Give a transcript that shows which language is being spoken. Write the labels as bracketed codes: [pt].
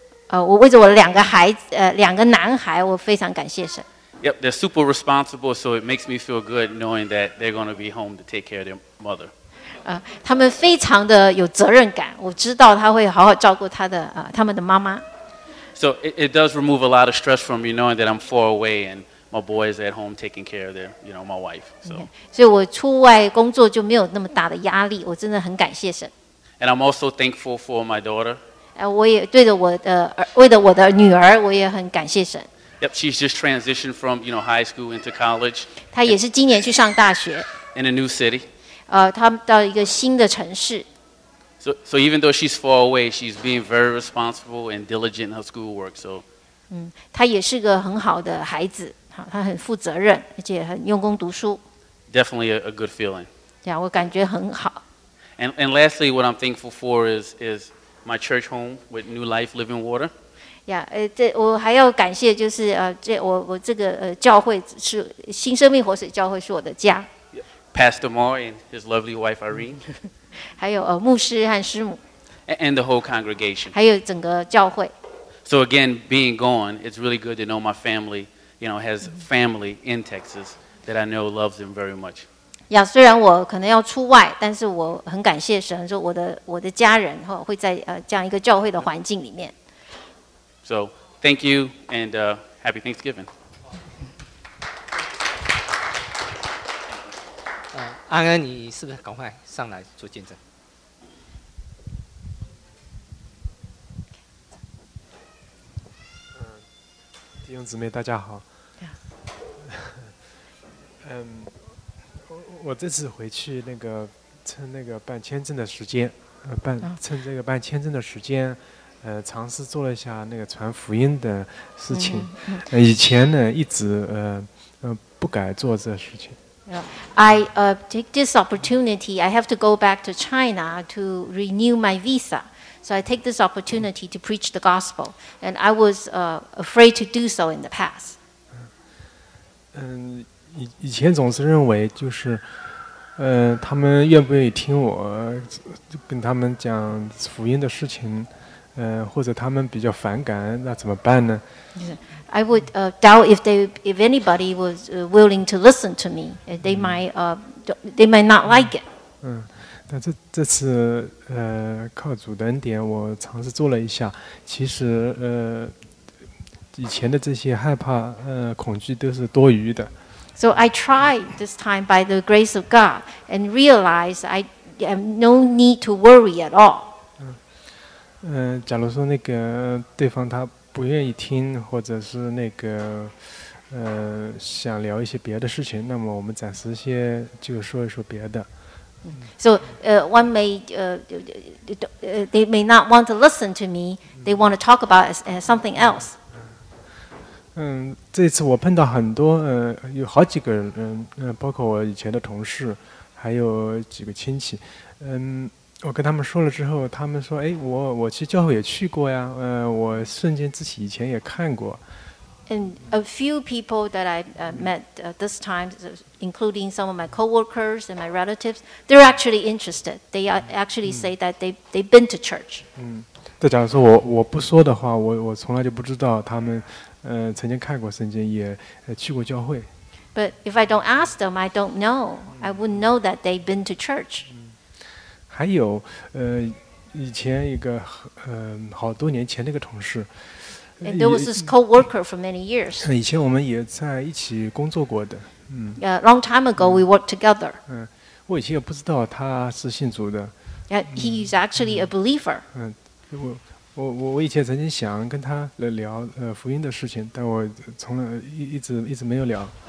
[zh] 我为着我两个孩子两个男孩，我非常感谢神。 [en] Yep, they're super responsible, so it makes me feel good knowing that they're going to be home to take care of their mother. [zh] 他们非常的有责任感，我知道他会好好照顾他的他们的妈妈。 [en] So it does remove a lot of stress from me knowing that I'm far away and my boy is at home taking care of their, you know, my wife. So. Okay. [zh] 所以我出外工作就没有那么大的压力，我真的很感谢神。 [en] And I'm also thankful for my daughter. [zh] 我也对着我的为了我的女儿，我也很感谢神。 [en] Yep, she's just transitioned from, you know, high school into college. [zh] 她也是今年去上大学。 [en] In a new city. [zh] 她到一个新的城市。 [en] So even though she's far away, she's being very responsible and diligent in her schoolwork. So. [zh] 她也是个很好的孩子，她很负责任，而且很用功读书。 [en] Definitely a good feeling. [zh] Yeah, 我感觉很好。 [en] And lastly, what I'm thankful for is my church home with New Life Living Water. [zh] Yeah, 我还要感谢就是我这个教会是新生命活水教会是我的家。 [en] Pastor Moore and his lovely wife Irene. [zh] 还有牧师和师母。 [en] And the whole congregation. [zh] 还有整个教会。 [en] So again, being gone, it's really good to know my family, you know, has family in Texas that I know loves them very much. [zh] Yeah, 虽然我可能要出外，但是我很感谢神，说我的家人会在这样一个教会的环境里面。 [en] So, thank you, and happy Thanksgiving. [zh] 安恩，你是不是赶快上来做见证？弟兄姊妹，大家好。我这次回去那个趁那个办签证的时间，趁这个办签证的时间。尝试做了一下那个传福音的事情。以前呢一直不敢做这事情。 [en] I take this opportunity, I have to go back to China to renew my visa. So I take this opportunity to preach the gospel. And I was afraid to do so in the past. [zh] 以前总是认为就是他们愿不愿意听我跟他们讲福音的事情。或者他们比较反感，那怎么办呢 [en] ？I would doubt if anybody was willing to listen to me. They might not like it. [zh] 但这次靠主的恩典，我尝试做了一下。其实以前的这些害怕恐惧都是多余的。 [en] So I tried this time by the grace of God and realized I have no need to worry at all. [zh] 假如说那个对方他不愿意听，或者是那个想聊一些别的事情，那么我们暂时先就说一说别的。 [en] So, one may they may not want to listen to me. They want to talk about something else. [zh] 这次我碰到很多有好几个人，包括我以前的同事，还有几个亲戚，我跟他们说了之后，他们说：“哎，我去教会也去过呀，我圣经自己以前也看过。” [en] And a few people that I met this time, including some of my coworkers and my relatives, they're actually interested. They actually say that they've been to church. [zh] 再假如说我不说的话，我从来就不知道他们曾经看过圣经，也去过教会。 [en] But if I don't ask them, I don't know. I wouldn't know that they've been to church. [zh] 还有以前一个好多年前那个同事 [en] And there was this co-worker for many years. [zh] 以前我们也在一起工作过的。 [en] long time ago we worked together. [zh] 我以前也不知道他是信主的。 [en] He's actually a believer. [zh] 我以前曾经想跟他聊福音的事情，但我从来一直没有聊。